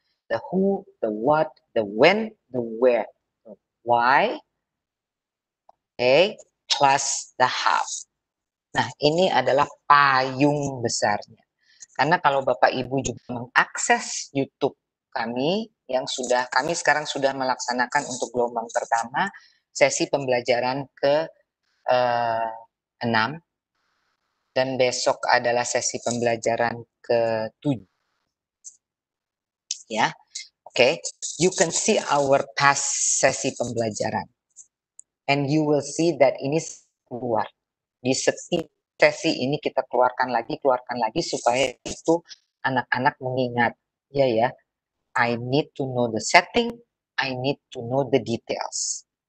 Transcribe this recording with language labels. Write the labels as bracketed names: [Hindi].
[English] The who, the what, the when, the where, the why, okay, plus the how. [Indonesian] Nah, ini adalah payung besarnya. Karena kalau Bapak Ibu juga mengakses YouTube kami, yang sudah, kami sekarang sudah melaksanakan untuk gelombang pertama, sesi pembelajaran ke 6, dan besok adalah sesi pembelajaran ke 7. [English] Ya, oke. Okay. You can see our past [Indonesian] sesi pembelajaran. [English] And you will see that [Indonesian] ini keluar. Di setiap sesi ini kita keluarkan lagi, supaya itu anak-anak mengingat. Ya, ya. [English] I need to know the setting, I need to know the details.